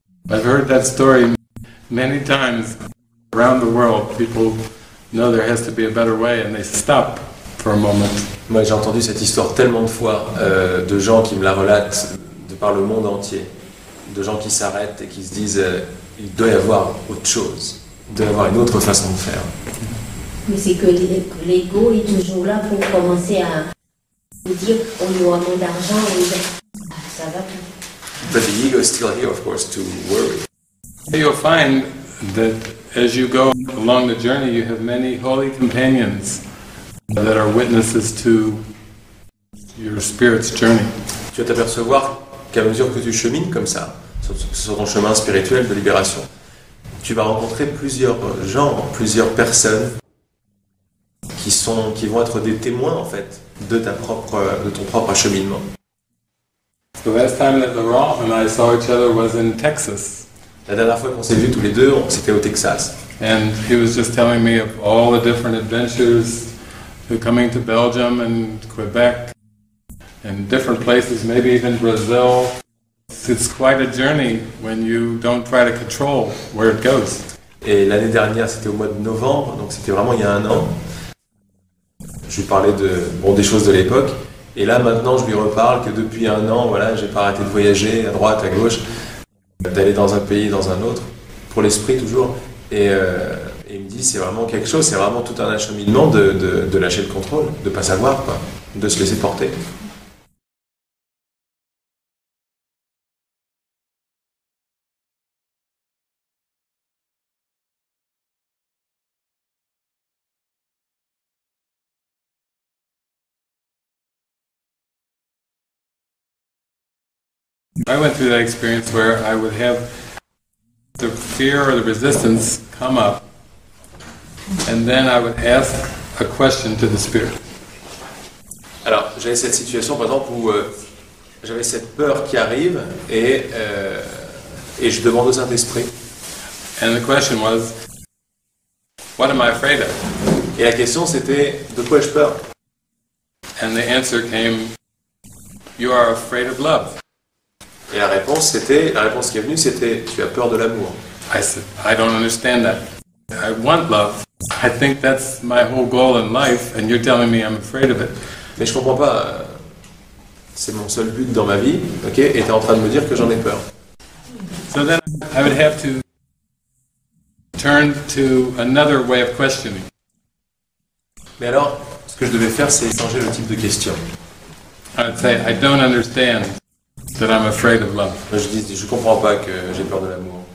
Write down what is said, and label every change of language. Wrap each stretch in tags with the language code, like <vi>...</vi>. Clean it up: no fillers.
<en>I've heard that story many times around the world. People know there has to be a better way and they stop for a moment.</en> <fr>Moi, j'ai entendu cette histoire tellement de fois de gens qui me la relatent de par le monde entier, de gens qui s'arrêtent et qui se disent il doit y avoir autre chose, il doit y avoir une autre façon de faire. Mais c'est que l'ego est toujours là pour commencer à dire on y aura moins d'argent, ça va plus.</fr> <en>But the ego is still here, of course, to worry. You'll find that as you go along the journey, you have many holy companions that are witnesses to your spirit's journey.</en> <fr>Tu vas t'apercevoir qu'à mesure que tu chemines comme ça, sur ton chemin spirituel de libération, tu vas rencontrer plusieurs gens, plusieurs personnes qui vont être des témoins, en fait, de ton propre cheminement.</fr> <en>The last time that Laurent and I saw each other was in Texas.</en> <fr>La dernière fois qu'on s'est vus tous les deux, c'était au Texas.</fr> <en>And he was just telling me of all the different adventures coming to Belgium and Quebec and different places, maybe even Brazil. It's quite a journey when you don't try to control where it goes.</en> <fr>Et l'année dernière, c'était au mois de novembre, donc c'était vraiment il y a un an. Je lui parlais des choses de l'époque. Et là, maintenant, je lui reparle que depuis un an, voilà, j'ai pas arrêté de voyager à droite, à gauche, d'aller dans un pays, dans un autre, pour l'esprit toujours. Et il me dit, c'est vraiment quelque chose, c'est vraiment tout un acheminement de lâcher le contrôle, de pas savoir, quoi, de se laisser porter.</fr> <en>I went through that experience where I would have the fear or the resistance come up, and then I would ask a question to the spirit.</en> <fr>Alors, j'avais cette situation, par exemple, où j'avais cette peur qui arrive, et je demande au Saint-Esprit.</fr> <en>And the question was, what am I afraid of?</en> <fr>Et la question, c'était, de quoi ai-je peur?</fr> <en>And the answer came, you are afraid of love.</en> <fr>Et la réponse qui est venue, c'était tu as peur de l'amour.</fr> <en>I said, I don't understand that. I want love. I think that's my whole goal in life, and you're telling me I'm afraid of it.</en> <fr>Mais je comprends pas. C'est mon seul but dans ma vie, ok? Et t'es en train de me dire que j'en ai peur.</fr> <en>So then I would have to turn to another way of questioning.</en> <fr>Mais alors, ce que je devais faire, c'est changer le type de question.</fr> <en>I would say, I don't understand. That I'm afraid of love.</en> <fr>Je dis, je comprends pas que j'ai peur de l'amour.</fr>